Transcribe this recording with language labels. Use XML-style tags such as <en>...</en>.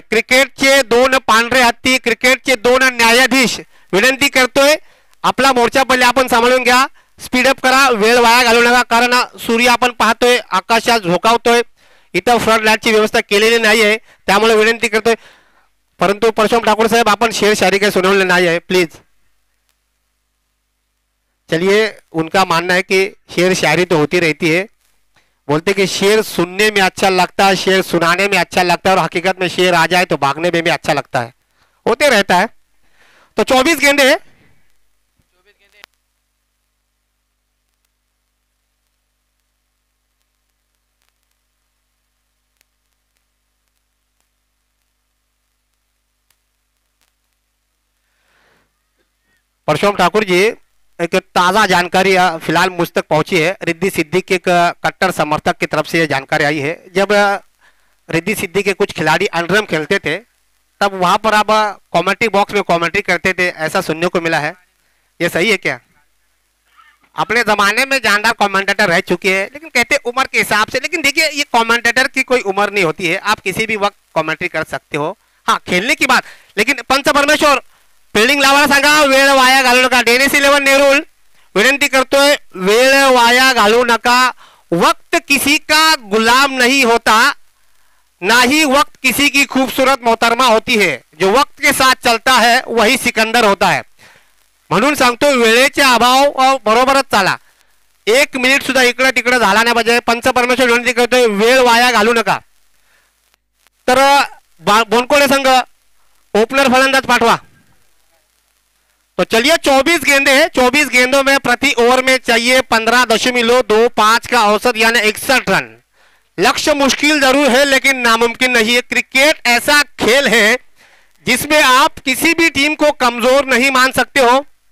<mr>क्रिकेटचे दोन पांढरे हत्ती, क्रिकेटचे दोन न्यायाधीश विनंती करतोय, आपला मोर्चा पहिले आपण सांभाळून घ्या. स्पीडअप करा, वेळ वाया घालू नका, कारण सूर्य आपण पाहतोय आकाशात झोकावतोय. इथं फ्रंट लाईटची व्यवस्था केलेली नाही आहे, त्यामुळे विनंती करतोय. परंतु परशुराम ठाकूर साहेब आपण शेर शायरी काही सुनावले नाही आहे, प्लीज.</mr> <hi>चलिए, उनका मानना है कि शेर शायरी तो होती रहती है. बोलते कि शेर सुनने में अच्छा लगता है, शेर सुनाने में अच्छा लगता है, और हकीकत में शेर आ जाए तो भागने में भी अच्छा लगता है, होते रहता है. तो 24 गेंदे है, परशुराम ठाकुर जी एक ताजा जानकारी फिलहाल मुझ तक पहुंची है. रिद्धि सिद्धि के एक कट्टर समर्थक की तरफ से यह जानकारी आई है. जब रिद्धि सिद्धि के कुछ खिलाड़ी अंडरम खेलते थे, तब वहां पर अब कॉमेंट्री बॉक्स में कॉमेंट्री करते थे, ऐसा सुनने को मिला है. ये सही है क्या? अपने जमाने में जानदार कॉमेंटेटर रह चुके हैं, लेकिन कहते उम्र के हिसाब से. लेकिन देखिए, ये कॉमेंटेटर की कोई उम्र नहीं होती है, आप किसी भी वक्त कॉमेंट्री कर सकते हो. हाँ, खेलने की बात.</hi> <mr>लेकिन पंच परमेश्वर फिल्डिंग लावायला सांगा, वेळ वाया घालू नका. डेनिस इलेवन नेरूल विनंती करतोय, वेळ वाया घालू नका.</mr> <hi>वक्त किसी का गुलाम नहीं होता, ना ही वक्त किसी की खूबसूरत मोहतरमा होती है. जो वक्त के साथ चलता है वही सिकंदर होता है.</hi> <mr>म्हणून सांगतो, वेळेचे अभाव बरोबरच चाला. एक मिनिट सुद्धा इकडे तिकडे झाला नाही पाहिजे. पंच परमेश्वर विनंती करतोय, वेळ वाया घालू नका. तर बोनकोडे संघ ओपनर फलंदाज पाठवा.</mr> <hi>तो चलिए, 24 गेंदे हैं, 24 गेंदों में प्रति ओवर में चाहिए 15.25 का औसत, यानी 61 रन. लक्ष्य मुश्किल जरूर है, लेकिन नामुमकिन नहीं है. क्रिकेट ऐसा खेल है जिसमें आप किसी भी टीम को कमजोर नहीं मान सकते हो.</hi>